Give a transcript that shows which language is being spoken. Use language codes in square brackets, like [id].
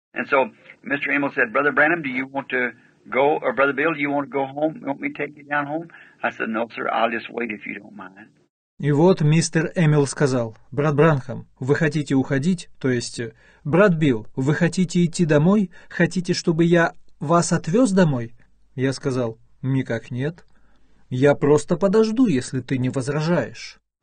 [en] And so, Mr. Emil said, Brother Branham, do you want to go, or Brother Bill, do you want to go home? Want me to take you down home? I said, no, sir, I'll just wait if you don't mind. [ru] И вот мистер Эмил сказал, «Брат Бранхам, вы хотите уходить? То есть, брат Билл, вы хотите идти домой? Хотите, чтобы я вас отвез домой?» Я сказал, «Никак нет. Я просто подожду, если ты не возражаешь».